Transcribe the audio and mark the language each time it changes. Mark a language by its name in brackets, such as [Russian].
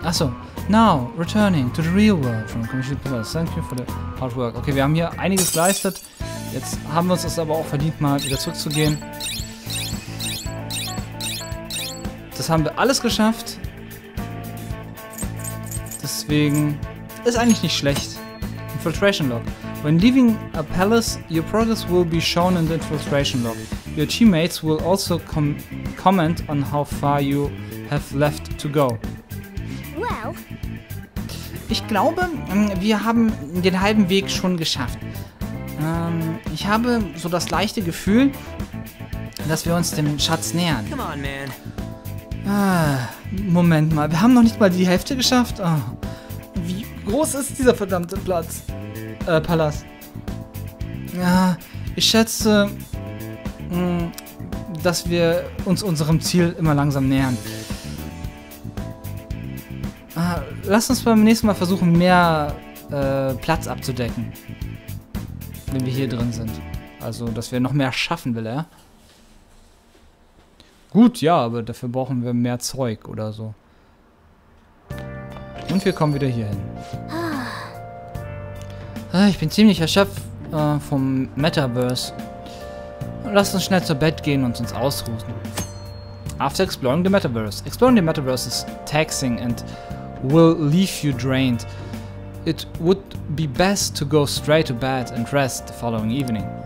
[English] Achso, now returning to the real world from Commission Pillars. Thank you for the hard work. Okay, [German] wir haben hier einiges geleistet. Jetzt haben wir uns das aber auch verdient, mal wieder zurückzugehen. Das haben wir alles geschafft. Deswegen ist eigentlich nicht schlecht. Infiltration Log. [English] When leaving a palace, your progress will be shown in the infiltration log. Your teammates will also comment on how far you have left to go. Well. [German] Ich glaube, wir haben den halben Weg schon geschafft. Ich habe so das leichte Gefühl, dass wir uns dem Schatz nähern. [English] Come on, man. [German] Moment mal, wir haben noch nicht mal die Hälfte geschafft. Oh. Wie groß ist dieser verdammte Platz? Palast. Ja, ich schätze, dass wir uns unserem Ziel immer langsam nähern. Lass uns beim nächsten Mal versuchen, mehr Platz abzudecken. Wenn wir hier drin sind. Also, dass wir noch mehr schaffen, will er. Gut, ja, aber dafür brauchen wir mehr Zeug oder so. Und wir kommen wieder hier hin. Ich bin ziemlich erschöpft vom Metaverse. Lass uns schnell zu Bett gehen und uns ausruhen. [English] After exploring the Metaverse. Exploring the Metaverse is taxing and will leave you drained. It would be best to go straight to bed and rest the following evening.